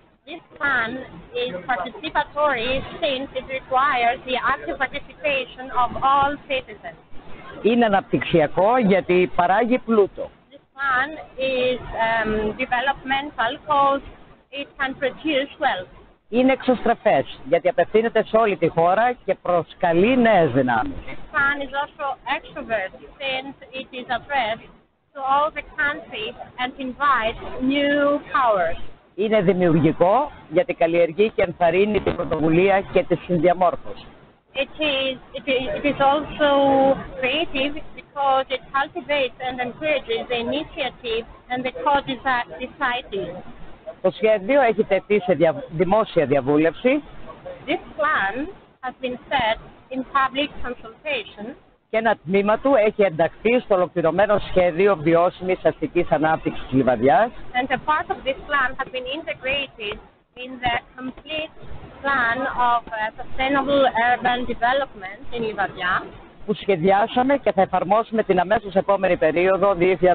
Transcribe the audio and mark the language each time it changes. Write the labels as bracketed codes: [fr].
[en] This plan is participatory since it requires the active participation of all citizens. [el] Είναι αναπτυξιακό γιατί παράγει πλούτο. [en] This plan is developmental because it can produce wealth. [el] Είναι εξωστρεφές γιατί απευθύνεται σε όλη τη χώρα και προσκαλεί νέες δυνάμεις. [en] This plan is also extrovert since it is addressed to all the country and invites new powers. [el] Είναι δημιουργικό γιατί καλλιεργεί και ενθαρρύνει την πρωτοβουλία και τη συνδιαμόρφωση. [en] It is also creative because it cultivates and encourages the initiative and the co-deciding. [el] Το σχέδιο έχει τεθεί σε δημόσια διαβούλευση. [en] This plan has been set in public consultation. [el] Και ένα τμήμα του έχει ενταχθεί στο ολοκληρωμένο σχέδιο βιώσιμης αστικής ανάπτυξης της Λιβαδιάς. [en] And a part of this plan has been integrated in the complete plan of sustainable urban development in Levadia. [el] που σχεδιάσαμε και θα εφαρμόσουμε την αμέσως επόμενη περίοδο 2019-2020.